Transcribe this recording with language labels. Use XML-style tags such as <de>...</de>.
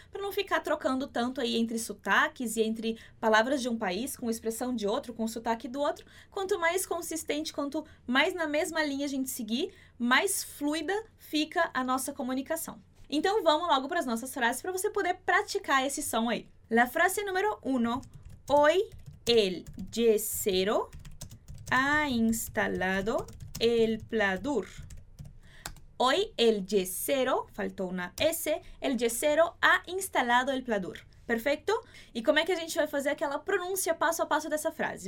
<pt>Para não ficar trocando tanto aí entre sotaques e entre palavras de um país com expressão de outro, com sotaque do outro. Quanto mais consistente, quanto mais na mesma linha a gente seguir, mais fluida fica a nossa comunicação. Então vamos logo para as nossas frases para você poder praticar esse som aí.</pt> <es>La frase número 1. Hoy el yesero ha instalado el pladur. Hoy el yesero, faltó una S, el yesero ha instalado el pladur.</es> <pt>Perfeito? E como é que a gente vai fazer aquela pronúncia passo a passo dessa frase?</pt>